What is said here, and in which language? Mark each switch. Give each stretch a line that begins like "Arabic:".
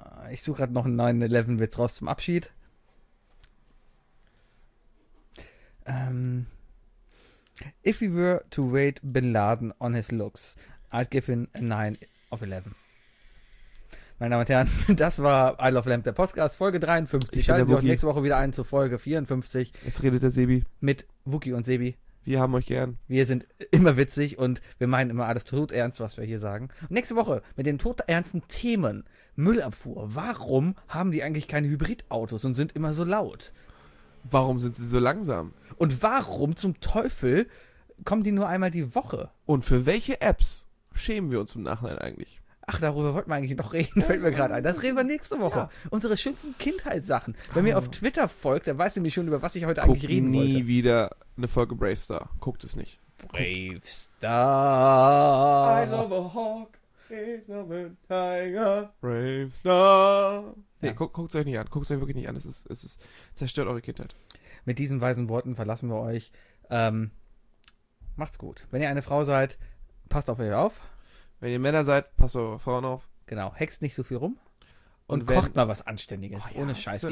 German: Ich suche gerade noch einen 9-11-Witz raus zum Abschied.
English: If we were to wait Bin Laden on his looks, I'd give him a 9-11.
German: Meine Damen und Herren, das war Isle of Lamp, der Podcast, Folge 53. Schalten Sie auch nächste Woche wieder ein zu Folge 54. Jetzt redet der Sebi. Mit Wookie und Sebi. Wir haben euch gern. Wir sind immer witzig und wir meinen immer alles tot ernst, was wir hier sagen. Und nächste Woche mit den todernsten Themen. Müllabfuhr. Warum haben die eigentlich keine Hybridautos und sind immer so laut? Warum sind sie so langsam? Und warum zum Teufel kommen die nur einmal die Woche? Und für welche Apps schämen wir uns im Nachhinein eigentlich? Ach, darüber wollten wir eigentlich noch reden, fällt mir gerade ein. Das reden wir nächste Woche. Ja. Unsere schönsten Kindheitssachen. Wenn mir auf Twitter folgt, dann weiß ich nämlich schon, über was ich heute eigentlich reden wollte. Guckt nie wieder eine Folge Bravestar. Guckt es nicht. Bravestar.
English: Eyes of a hawk, eyes of a tiger.
German: Bravestar. Nee, ja. Guckt es euch nicht an. Guckt es euch wirklich nicht an. Es ist zerstört eure Kindheit. Mit diesen weisen Worten verlassen wir euch. Macht's gut. Wenn ihr eine Frau seid, passt auf euch auf. Wenn ihr Männer seid, passt eure Frauen auf. Genau, hext nicht so viel rum. Und kocht mal was Anständiges, oh ja, ohne Scheiß.